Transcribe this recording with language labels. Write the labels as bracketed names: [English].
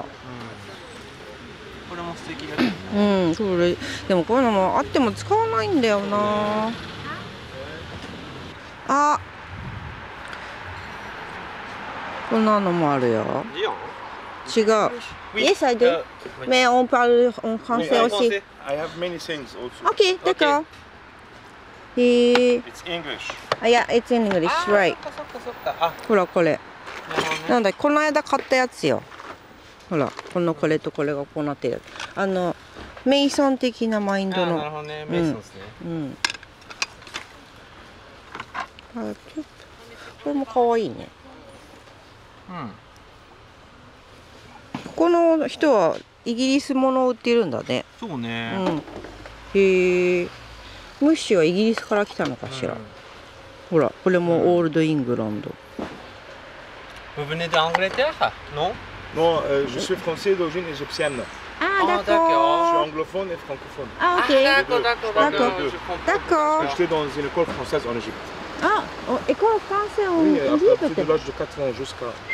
[Japanese] うん、これも素敵だね、うんそれでもこういうのもあっても使わないんだよな、あこんなのもあるよ、違う、 [French] oui. [English] Yes, I do. [French] Mais on parle en français aussi. [English] I have many things also. [French] Okay, d'accord. Okay. [English] It's English. Yeah, it's in English, right. [Japanese] ほら、これ。なんだ、この間買ったやつよ。ほら、このこれとこれがこうなってる。あの、メイソン的なマインドの。なるほどね、メイソンですね。うん。うん、これもかわいいね。うん。ここの人はイギリスものを売ってるんだね、そうね、うん、へえ。ムッシュはイギリスから来たのかしら、うん、ほら、これもオールドイングランド、 [French] Vous venez d'Angleterre? Non? Non, je suis français d'origine égyptienne. Ah, d'accord. Je suis anglophone et francophone. Ah, ok. D'accord. J'étais dans une école française en Égypte. Ah, école française en Égypte? Oui, à partir de l'âge de 4 ans jusqu'à...